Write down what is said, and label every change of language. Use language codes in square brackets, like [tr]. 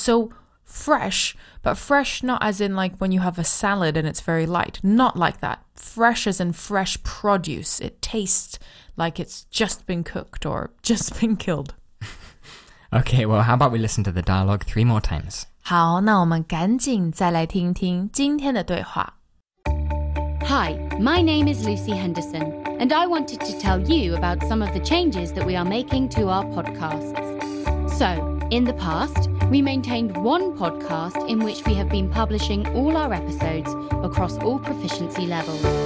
[en] SoFresh, but fresh not as in like when you have a salad and it's very light. Not like that. Fresh as in fresh produce. It tastes like it's just been cooked or just been killed. Okay, well, how about we listen to the dialogue 3 more times? [zh] 好，那我们赶紧再来听听今天的对话。 [en] Hi, my name is Lucy Henderson, and I wanted to tell you about some of the changes that we are making to our podcasts. So, in the past... We maintained one podcast in which we have been publishing all our episodes across all proficiency levels.